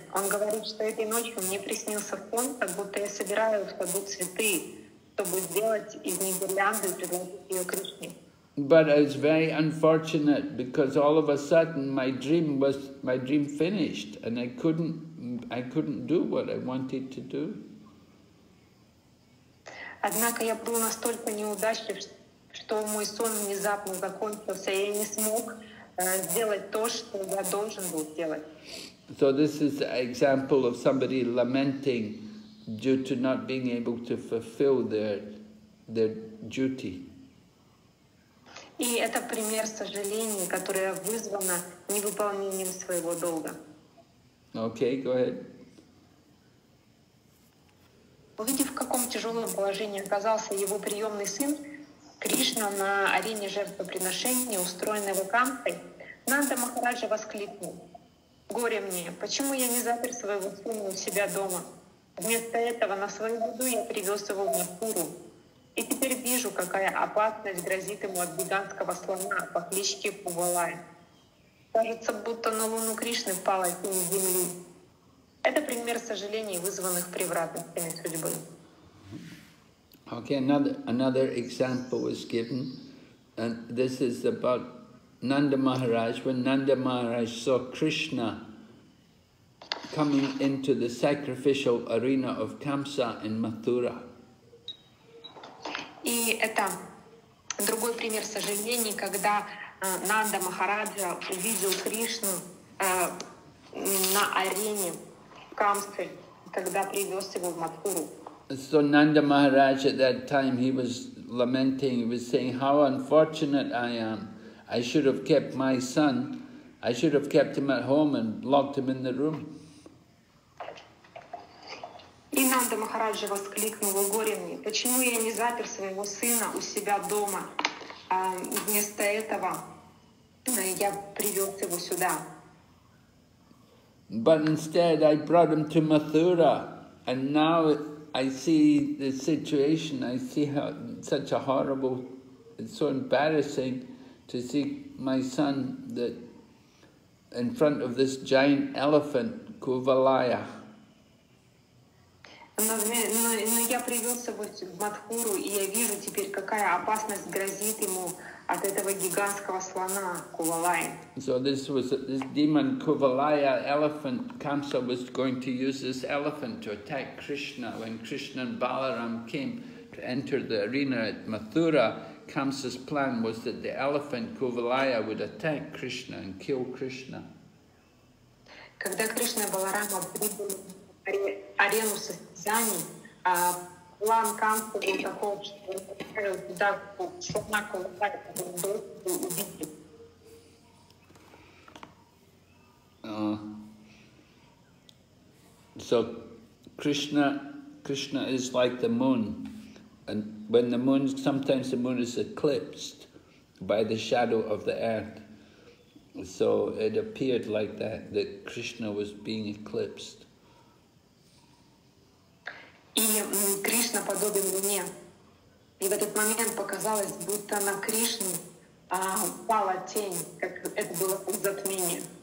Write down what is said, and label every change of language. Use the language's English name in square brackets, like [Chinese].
[Russian] Он говорит, что этой ночью мне приснился сон, как будто я собираю в саду цветы, чтобы сделать из них гирлянду и предложить ее Кришне. [English] But it's very unfortunate because all of a sudden my dream finished and I couldn't do what I wanted to do. [Russian] Однако я был настолько неудачлив, что мой сон внезапно закончился, и я не смог сделать то, что я должен был сделать. [English] So this is an example of somebody lamenting due to not being able to fulfill their duty. [Russian] И это пример сожаления, которое вызвано невыполнением своего долга. [English] Okay, go ahead. [Russian] Увидев, в каком тяжелом положении оказался его приемный сын, Кришна на арене жертвоприношения, устроенной Вакантой, Нанда Махараджа воскликнул: «Горе мне, почему я не запер своего сына у себя дома? Вместо этого на свою беду я привез его в Мапуру. И теперь вижу, какая опасность грозит ему от гигантского слона по кличке Пувалай. Кажется, будто на луну Кришны пала тень земли». Это пример сожалений, вызванных превратностями судьбы. [English] Okay, another example was given. And this is about Nanda Maharaj. When Nanda Maharaj saw Krishna coming into the sacrificial arena of Kamsa in Mathura. [Russian] И это другой пример сожалений, когда Нанда Махараджа увидел Кришну на арене Камсы, когда привез его в Матхуру. [English] So Nanda Maharaj at that time, he was lamenting, he was saying, how unfortunate I am. I should have kept my son. I should have kept him at home and locked him in the room. [Russian] И Нанда Махараджа воскликнул: «Горе мне, почему я не запер своего сына у себя дома? Вместо этого Но я привёз его сюда. [English] But instead I brought him to Mathura, and now I see the situation, I see how such a horrible, it's so embarrassing to see my son that in front of this giant elephant, Kuvalaya. [Russian] Но я привёз его в Мадхуру, и я вижу теперь, какая опасность грозит ему от этого гигантского слона Кувалая. [English] So this was this demon Kuvalaya elephant Kamsa was going to use this elephant to attack Krishna when Krishna and Balaram came to enter the arena at Mathura. Kamsa's plan was that the elephant Kuvalaya would attack Krishna and kill Krishna. [Russian] Когда Кришна и Баларама прибыли в арену состязаний, план Камсы был таков, что он отправил туда слона Кувалая, чтобы его убить. [English] So Krishna is like the moon. And when the moon, sometimes the moon is eclipsed by the shadow of the earth. So it appeared like that, that Krishna was being eclipsed. [Russian] Krishna подобен луне. И в этот момент показалось, будто на Кришну упала тень, как это было у затмения.